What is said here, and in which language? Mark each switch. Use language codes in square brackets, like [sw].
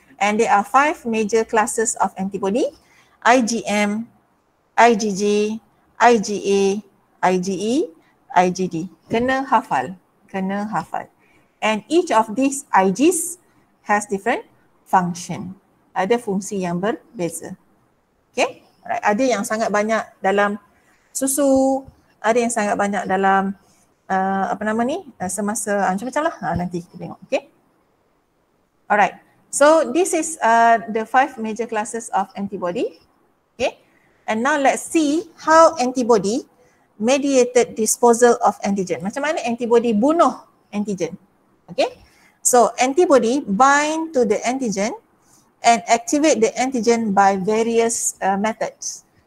[en] And there are five major classes of antibody. IgM, IgG, IgA, IgE, IgD. [ms] Kena hafal, kena hafal. [en] And each of these IGs has different function. [ms] Ada fungsi yang berbeza. Okay, right. Ada yang sangat banyak dalam susu, ada yang sangat banyak dalam apa nama ni, semasa macam-macam lah, nanti kita tengok. Okay. [en] Alright, so this is the five major classes of antibody. Okay, and now let's see how antibody mediated disposal of antigen. [ms] Macam mana antibody bunuh antigen. [en] Okay, so antibody bind to the antigen and activate the antigen by various methods.